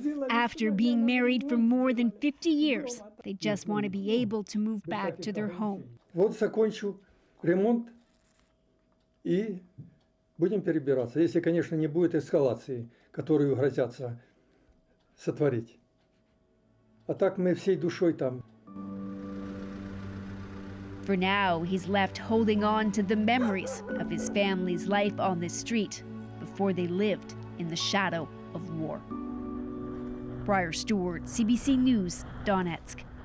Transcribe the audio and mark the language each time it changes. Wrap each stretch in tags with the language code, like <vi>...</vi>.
<en>After being married for more than 50 years, they just want to be able to move back to their home.</en> <ru>Вот закончу ремонт. И будем перебираться, если, конечно, не будет эскалации, которую грозятся сотворить. А так мы всей душой там.</ru> <en>For now, he's left holding on to the memories of his family's life on the street before they lived in the shadow of war. Briar Stewart, CBC News, Donetsk.</en>